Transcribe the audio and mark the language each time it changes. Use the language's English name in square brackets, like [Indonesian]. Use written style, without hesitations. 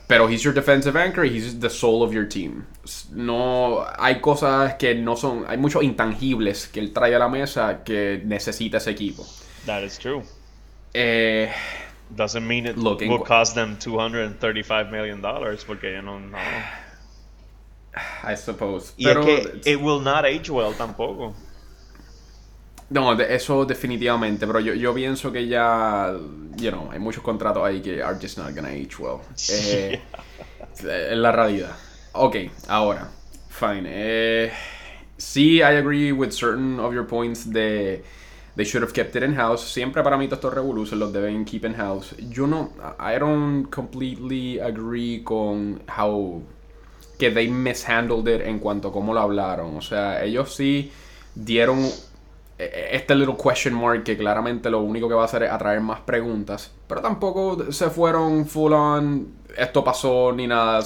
[English] Pero he's your defensive anchor, he's the soul of your team. [Spanish] No, hay cosas que no son, hay muchos intangibles que él trae a la mesa que necesita ese equipo. [English] That is true. Doesn't mean it look, will cost them $235 million, [Spanish] porque [English] you know, I suppose. [Spanish] Pero, y es que [English] it will not age well [Spanish] tampoco. No, eso definitivamente, pero yo pienso que ya, you know, hay muchos contratos ahí que [English] are just not gonna age well. [Spanish] Es la realidad. Ok, ahora, fine. [English] Sí, I agree with certain of your points de they should have kept it in-house. [Spanish] Siempre para mí todos estos revoluciones los deben [English] keep in-house. [Spanish] Yo no, [English] I don't completely agree [Spanish] con how que [English] they mishandled it [Spanish] en cuanto a cómo lo hablaron. O sea, ellos sí dieron este [English] little question mark [Spanish] que claramente lo único que va a hacer es atraer más preguntas, pero tampoco se fueron full on esto pasó ni nada.